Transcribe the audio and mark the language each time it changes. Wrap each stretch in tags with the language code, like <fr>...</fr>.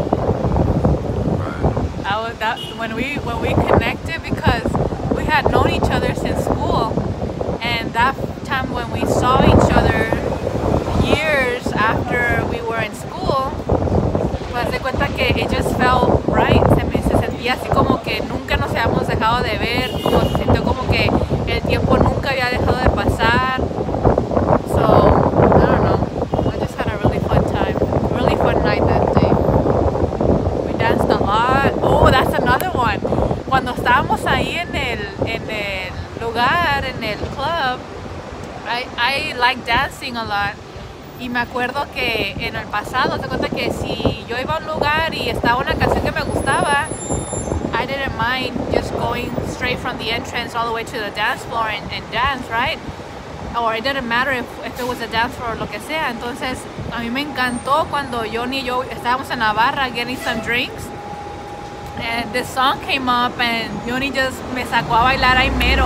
<en>Right. When we connected, because we had known each other since school, and that time when we saw each other years after we were in school,</en> <es>pues de cuenta que</es> <en>it just felt right.</en> <es>Y así como que nunca nos habíamos dejado de ver, como se sintió como que el tiempo nunca había dejado de pasar.</es> <en>So, I don't know. I just had a really fun time. Really fun night that day. We danced a lot. Oh, that's another one.</en> <es>Cuando estábamos ahí en el lugar, en el club,</es> <en>I like dancing a lot.</en> <es>Y me acuerdo que en el pasado, te cuento que si yo iba a un lugar y estaba una canción que me gustaba,</es> <en>I didn't mind just going straight from the entrance all the way to the dance floor and dance, right? Or it didn't matter if it was a dance floor or</en> <es>lo que sea. Entonces, a mí me encantó cuando Johnny y yo estábamos en la barra</es> <en>getting some drinks. And this song came up and Johnny just</en> <es>me sacó a bailar ahí mero.</es>